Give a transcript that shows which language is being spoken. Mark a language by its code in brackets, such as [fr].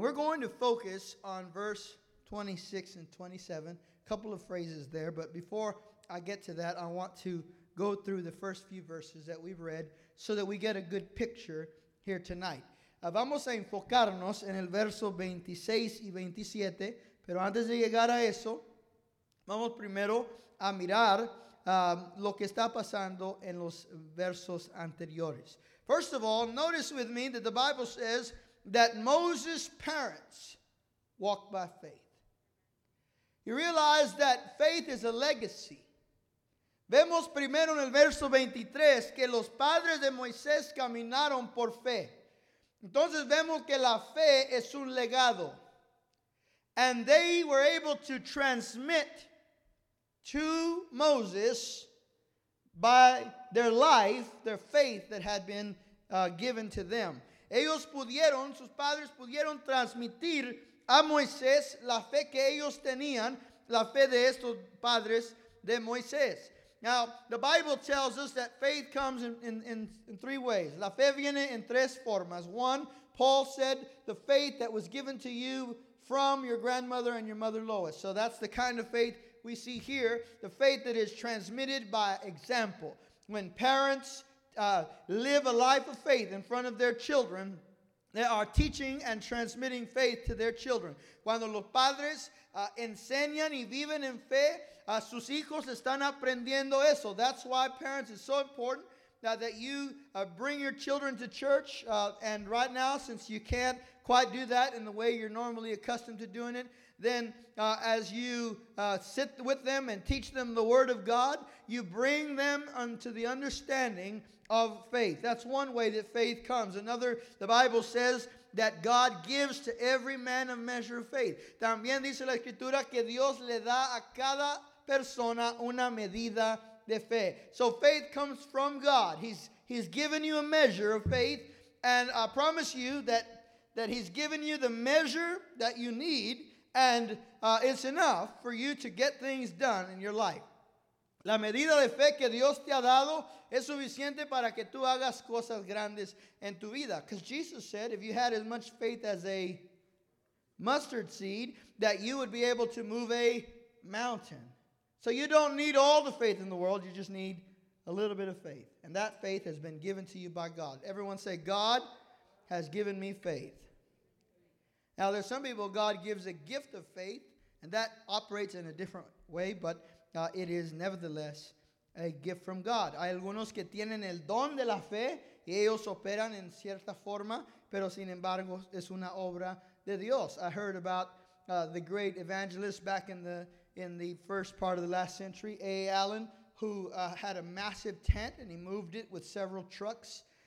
[en] We're going to focus on verse 26 and 27, a couple of phrases there, but before I get to that, I want to go through the first few verses that we've read so that we get a good picture here tonight. [es] Vamos a enfocarnos en el verso 26 y 27 Pero antes de llegar a eso, vamos primero a mirar lo que está pasando en los versos anteriores. [en] First of all, notice with me that the Bible says that Moses' parents walked by faith. You realize that faith is a legacy. [es] Vemos primero en el verso 23 que los padres de Moisés caminaron por fe. Entonces vemos que la fe es un legado. [en] And they were able to transmit to Moses by their life, their faith that had been given to them. [es] Ellos pudieron, sus padres pudieron transmitir a Moisés la fe que ellos tenían, la fe de estos padres de Moisés. [en] Now, the Bible tells us that faith comes in three ways. [es] La fe viene en tres formas. [en] One, Paul said, the faith that was given to you from your grandmother and your mother Lois. So that's the kind of faith we see here, the faith that is transmitted by example. When parents live a life of faith in front of their children, they are teaching and transmitting faith to their children. [es] Cuando los padres enseñan y viven en fe, sus hijos están aprendiendo eso. [en] That's why parents, it's so important that you bring your children to church. And right now, since you can't quite do that in the way you're normally accustomed to doing it, then as you sit with them and teach them the word of God, you bring them unto the understanding of faith. That's one way that faith comes. Another, the Bible says that God gives to every man a measure of faith. [es] También dice la escritura que Dios le da a cada persona una medida de fe. [en] So faith comes from God. He's given you a measure of faith, and I promise you that he's given you the measure that you need, and it's enough for you to get things done in your life. [es] La medida de fe que Dios te ha dado es suficiente para que tú hagas cosas grandes en tu vida. [en] Because Jesus said, if you had as much faith as a mustard seed, that you would be able to move a mountain. So you don't need all the faith in the world, you just need a little bit of faith. And that faith has been given to you by God. Everyone say, God has given me faith. Now there's some people God gives a gift of faith, and that operates in a different way, but it is nevertheless a gift from God. [es] Hay algunos que tienen el don de la fe, y ellos operan en cierta forma, pero sin embargo es una obra de Dios. [en] I heard about the great evangelist back in the first part of the last century, A. Allen, who had a massive tent, and he moved it with several trucks.